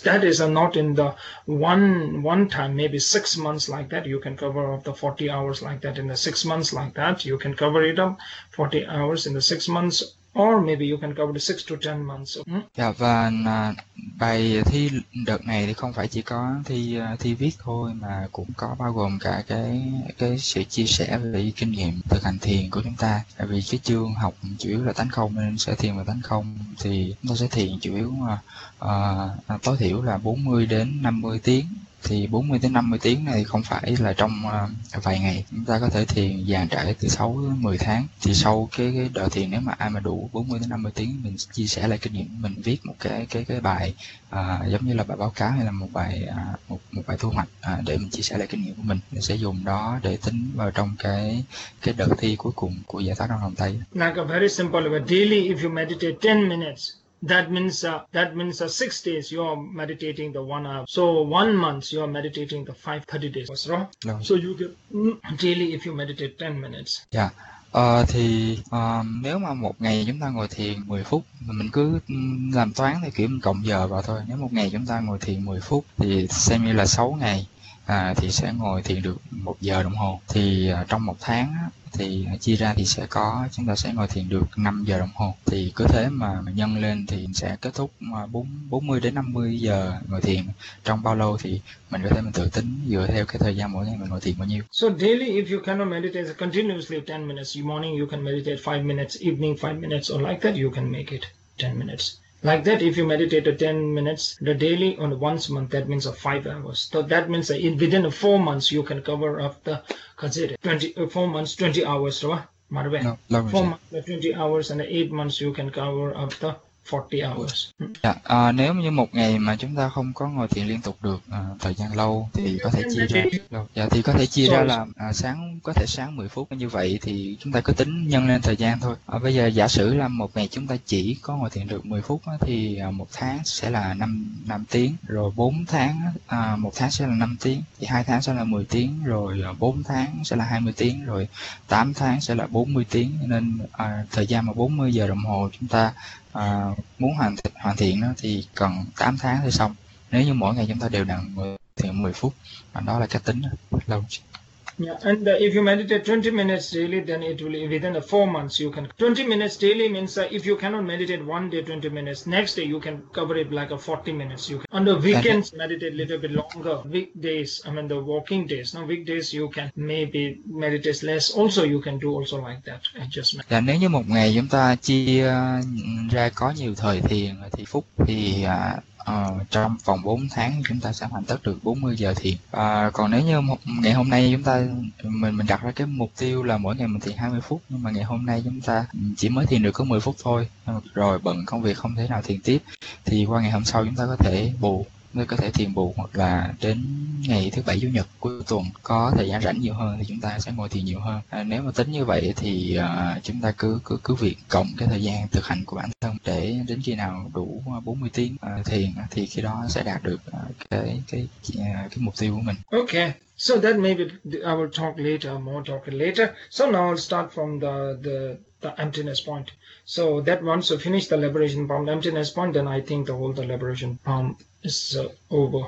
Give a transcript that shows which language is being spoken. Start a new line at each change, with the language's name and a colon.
English: That is not in the one time, maybe 6 months like that, you can cover up the 40 hours like that. In the 6 months like that, you can cover it up 40 hours in the 6 months. Or maybe you can cover the 6 to 10 months.
Vietnamese: Dạ, và bài thi đợt này thì không phải chỉ có thi thi viết thôi, mà cũng có bao gồm cả cái sự chia sẻ về kinh nghiệm thực hành thiền của chúng ta. Tại vì cái chương học chủ yếu là tánh không nên sẽ thiền vào tánh không, thì chúng ta sẽ thiền chủ yếu tối thiểu là 40 đến 50 tiếng. Thì 40 đến 50 tiếng này không phải là trong vài ngày, chúng ta có thể thiền dàn trải từ 6 đến 10 tháng. Thì sau cái đợt thiền, nếu mà ai mà đủ 40 đến 50 tiếng, mình chia sẻ lại kinh nghiệm, mình viết một cái bài giống như là bài báo cáo hay là một bài thu hoạch để mình chia sẻ lại kinh nghiệm của mình sẽ dùng đó để tính vào trong cái đợt thi cuối cùng của giải toán trong lòng tay.
English: Like a very simple, but daily if you meditate 10 minutes, that means 6 days you are meditating the 1 hour. So 1 month you are meditating the 5 30 days. What's wrong?
Vietnamese: Rồi.
English: So you get daily if you meditate 10 minutes.
Vietnamese: Dạ. Thì nếu mà một ngày chúng ta ngồi thiền 10 phút, mình cứ làm toán thì kiểu mình cộng giờ vào thôi. Nếu một ngày chúng ta ngồi thiền 10 phút thì xem như là 6 ngày thì sẽ ngồi thiền được 1 giờ đồng hồ. Thì trong một tháng thì chia ra thì sẽ có, chúng ta sẽ ngồi thiền được 5 giờ đồng hồ. Thì cứ thế mà nhân lên thì sẽ kết thúc 40 đến 50 giờ ngồi thiền. Trong bao lâu thì mình có thể mình tự tính dựa theo cái thời gian mỗi ngày mình ngồi thiền bao nhiêu.
English: So daily, if you cannot meditate continuously 10 minutes, you morning you can meditate 5 minutes, evening 5 minutes, or like that, you can make it 10 minutes. Like that, if you meditate 10 minutes the daily on once a month, that means a 5 hours. So that means that in within the 4 months you can cover up the consider 20 4 months 20 hours, right?
Vietnamese: No, lâu rồi
English: Four
Vietnamese: chị.
English: months 20 hours and 8 months you can cover up the 40 hours.
Vietnamese: Dạ, nếu như một ngày mà chúng ta không có ngồi thiền liên tục được thời gian lâu thì có thể chia ra. Được. Dạ, thì có thể chia ra là có thể sáng 10 phút như vậy thì chúng ta cứ tính nhân lên thời gian thôi. Bây giờ giả sử là một ngày chúng ta chỉ có ngồi thiền được 10 phút thì một tháng sẽ là 5 tiếng, rồi 4 tháng một tháng sẽ là 5 tiếng, thì 2 tháng sẽ là 10 tiếng, rồi 4 tháng sẽ là 20 tiếng, rồi 8 tháng sẽ là 40 tiếng, nên thời gian mà 40 giờ đồng hồ chúng ta muốn hoàn thiện nó thì cần 8 tháng thì xong. Nếu như mỗi ngày chúng ta đều đặn thì 10 phút, đó là cách tính lâu.
English: And if you meditate 20 minutes daily, then it will within the 4 months you can 20 minutes daily means if you cannot meditate one day 20 minutes, next day you can cover it like a 40 minutes. You can on the weekends meditate a little bit longer. Weekdays, I mean the working days. Now weekdays you can maybe meditate less. Also you can do also like that adjustment.
Vietnamese: Là nếu như một ngày chúng ta chia ra có nhiều thời thiền thì phút thì trong vòng 4 tháng chúng ta sẽ hoàn tất được 40 giờ thiền. Còn nếu như ngày hôm nay chúng ta mình đặt ra cái mục tiêu là mỗi ngày mình thiền 20 phút, nhưng mà ngày hôm nay chúng ta chỉ mới thiền được có 10 phút thôi, rồi bận công việc không thể nào thiền tiếp, thì qua ngày hôm sau chúng ta có thể bù Ngươi có thể thiền bộ hoặc là đến ngày thứ bảy chủ nhật cuối tuần có thời gian rảnh nhiều hơn thì chúng ta sẽ ngồi thiền nhiều hơn. Nếu mà tính như vậy thì chúng ta cứ cứ cứ việc cộng cái thời gian thực hành của bản thân để đến khi nào đủ 40 tiếng thiền thì khi đó sẽ đạt được cái mục tiêu của mình.
English: Okay, so that maybe I will talk later, more talk later. So now I'll start from the emptiness point. So that once you finish the liberation palm, emptiness point, then I think the whole the liberation palm is over.